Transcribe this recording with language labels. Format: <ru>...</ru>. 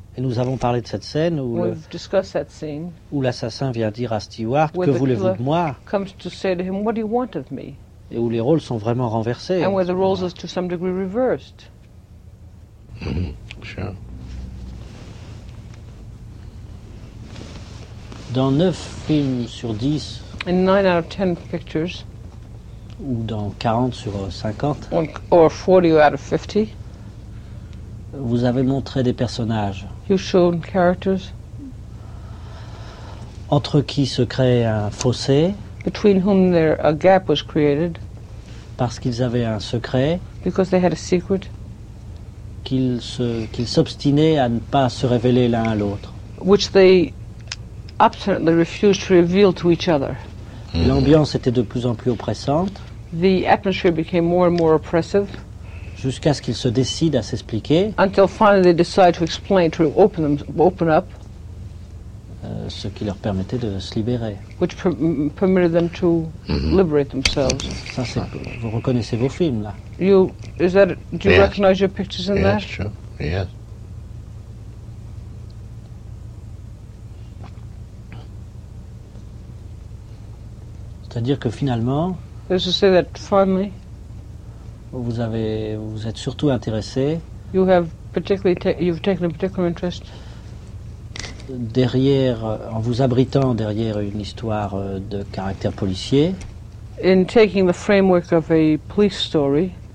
<fr>Et nous avons parlé de cette scène où, où l'assassin vient dire à Stewart « Que voulez-vous de moi ?»</fr> <en>comes to say to him, what do you want of me?</en> <fr>Et où les rôles sont vraiment renversés.</fr> <en>And where the roles are to some degree reversed. Sure.</en> <fr>Dans 9 films sur 10,</fr> <en>in 9 out of 10 pictures,</en> <fr>ou dans 40 sur 50,</fr> <en>or 40 out of 50,</en> <fr>vous avez montré des personnages.</fr> <en>You've shown characters.</en> <fr>Entre qui se crée un fossé.</fr> <en>Between whom there a gap was created.</en> <fr>Parce qu'ils avaient un secret.</fr> <en>Because they had a secret.</en> <fr>Qu'ils s'obstinaient à ne pas se révéler l'un à l'autre.</fr> <en>Which they absolutely refused to reveal to each other.</en> <fr>L'ambiance était de plus en plus oppressante.</fr> <en>The atmosphere became more and more oppressive.</en> <fr>Jusqu'à ce qu'ils se décident à s'expliquer.</fr> <en>Until finally they decide to explain, to open them, open up.</en> <fr>Ce qui leur permettait de se libérer.</fr> <en>Which permitted them to liberate themselves.</en> <fr>Ça, c'est, vous reconnaissez vos films, là.</fr> <en>You, is that, do you recognize your pictures in that? Yes, sure, yes.</en> <fr>C'est-à-dire que finalement,</fr> <en>is to say that finally,</en> <fr>vous êtes surtout intéressé.</fr> <en>You have particularly you've taken a particular interest.</en> <fr>Derrière, en vous abritant derrière une histoire de caractère policier.</fr> <en>In taking the framework of a police story.</en>